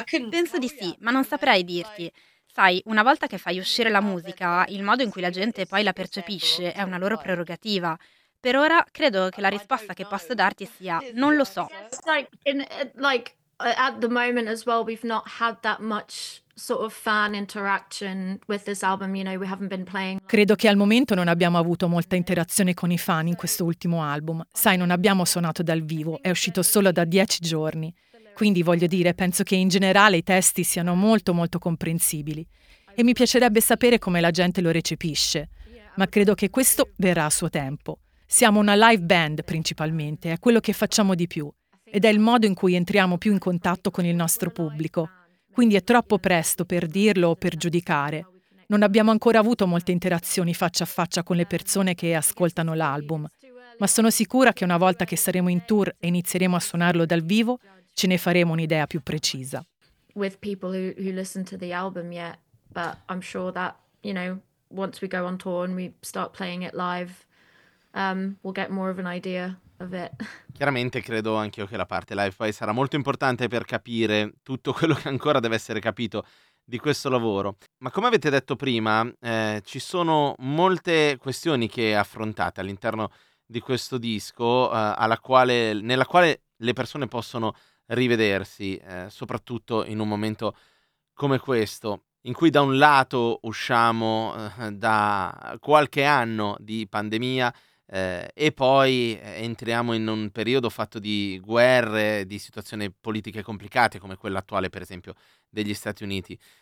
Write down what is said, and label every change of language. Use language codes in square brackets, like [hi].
[it] Penso di sì, ma non saprei dirti. Sai, una volta che fai uscire la musica, il modo in cui la gente poi la percepisce è una loro prerogativa. Per ora, credo che la risposta che posso darti sia non lo so. [en] At the moment as well, we've not had that much sort of fan interaction with this album, you know, we haven't been playing. [it] Credo che al momento non abbiamo avuto molta interazione con i fan in questo ultimo album. Sai, non abbiamo suonato dal vivo, è uscito solo da 10 giorni. Quindi voglio dire, penso che in generale i testi siano molto molto comprensibili e mi piacerebbe sapere come la gente lo recepisce, ma credo che questo verrà a suo tempo. Siamo una live band principalmente, è quello che facciamo di più ed è il modo in cui entriamo più in contatto con il nostro pubblico. Quindi è troppo presto per dirlo o per giudicare. Non abbiamo ancora avuto molte interazioni faccia a faccia con le persone che ascoltano l'album, ma sono sicura che una volta che saremo in tour e inizieremo a suonarlo dal vivo, ce ne faremo un'idea più precisa. [en] With people who listen to the album yet, but I'm sure that, you know, once we go on tour and we start playing it live, we'll get more of an idea of it. [it] Chiaramente credo anch'io che la parte live poi sarà molto importante per capire tutto quello che ancora deve essere capito di questo lavoro. Ma come avete detto prima, ci sono molte questioni che affrontate all'interno di questo disco, nella quale le persone possono rivedersi, soprattutto in un momento come questo, in cui da un lato usciamo da qualche anno di pandemia e poi entriamo in un periodo fatto di guerre, di situazioni politiche complicate come quella attuale, per esempio, degli Stati Uniti.